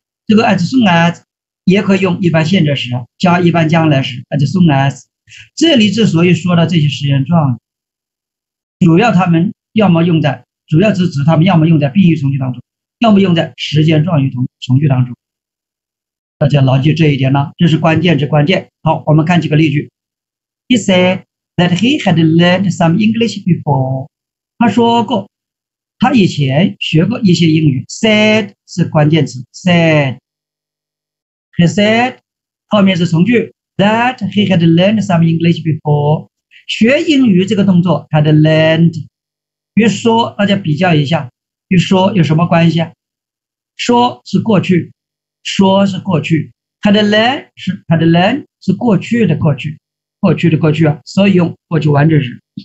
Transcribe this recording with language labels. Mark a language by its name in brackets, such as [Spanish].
[Chinese] 这个 as soon as 也可以用一般现在时加一般将来时 ，as soon as。这里之所以说到这些时间状语，主要他们要么用在。主要是指他们要么用在宾语从句当中，要么用在时间状语从句当中。大家牢记这一点呢，这是关键之关键。好，我们看几个例句。 [English] He said that he had learned some English before. [Chinese] 他说过，他以前学过一些英语。 Said 是关键词。Said. [English] He said [Chinese] 后面是从句 [English] that he had learned some English before. [Chinese] 学英语这个动作 had learned. 与说大家比较一下，与说有什么关系啊？说是过去，说是过去 ，had learned 是 had learned 是过去的过去，过去的过去啊，所以用过去完整时。